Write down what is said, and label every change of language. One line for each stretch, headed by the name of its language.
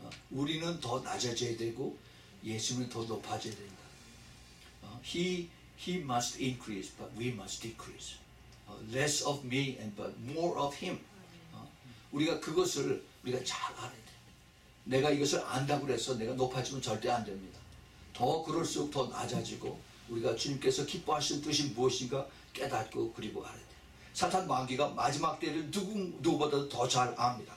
Korean: 우리는 더 낮아져야 되고 예수님은 더 높아져야 된다.
English: He must increase, but we must decrease. Less of me, and but more of him.
Korean: 우리가 그것을 우리가 잘 알아야 돼. 내가 이것을 안다고 해서 내가 높아지면 절대 안 됩니다. 더 그럴수록 더 낮아지고 우리가 주님께서 기뻐하시는 뜻이 무엇인가 깨닫고 그리고 알아야 돼. 사탄 마귀가 마지막 때를 누구보다도 더 잘 압니다.